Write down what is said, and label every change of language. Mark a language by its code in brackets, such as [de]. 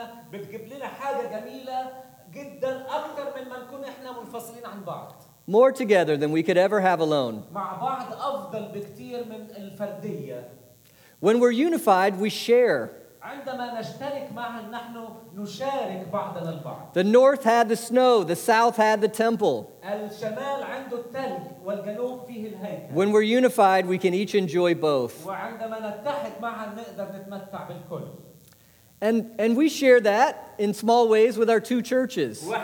[ar] بتجيب لنا حاجة جميلة جدا أكتر من ما نكون إحنا منفصلين عن بعض. [en] More together than we could ever have alone. [ar] مع بعض أفضل بكتير من الفردية. [en] When we're unified, we share. [ar] عندما نشترك معا نحن نشارك بعضنا البعض. [en] The north had the snow, the south had the temple. [ar] الشمال عنده التلج والجنوب فيه الهيكل. [en] When we're unified, we can each enjoy both. [ar] وعندما نتحد معا نقدر نتمتع بالكل. [en] And we share that in small ways with our two churches.